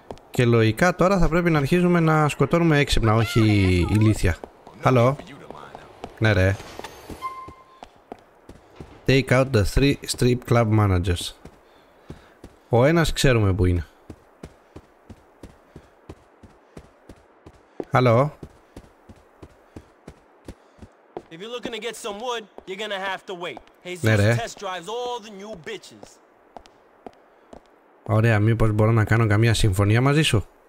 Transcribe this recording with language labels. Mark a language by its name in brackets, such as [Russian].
[Greek] Και λογικά τώρα θα πρέπει να αρχίζουμε να σκοτώνουμε έξυπνα, όχι ηλίθια. [English] Hello. [Greek] Ναι ρε. [English] Take out the three strip club managers. [Greek] Ο ένας ξέρουμε που είναι. [English] Hello. If you're looking to get some wood, you're gonna have to wait. Hey, [Greek] ναι ρε. [English] Test drives all the new bitches. [Greek] Ωραία, μήπως μπορώ να κάνω καμία συμφωνία μαζί σου?